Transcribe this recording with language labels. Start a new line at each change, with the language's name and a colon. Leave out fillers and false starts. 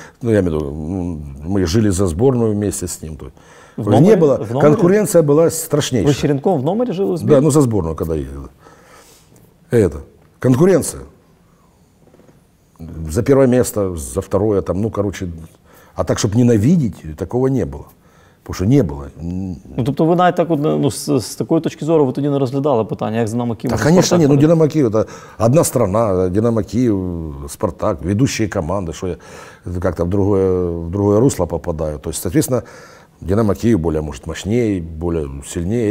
Russian: Ну, я имею в виду, мы жили за сборную вместе с ним. Не было. Конкуренция была страшнейшая. Вы с Черенком в номере жили? Да, ну, за сборную, когда ездили. Это. Конкуренция. За первое место, за второе, там, ну, короче. А так, чтобы ненавидеть, такого не было. Потому что не было.
Ukrainian: Ну, тобто ви навіть так, ну, с такой точки зору вы тоді не розглядали питання, як з Динамо Києвом.
Russian: Да, конечно, нет. Ну, Динамо Київ — это одна страна. Динамо Київ, Спартак, ведущие команды. Что я как-то в другое русло попадаю. То есть, соответственно, Динамо Київ более, может, мощнее, более сильнее.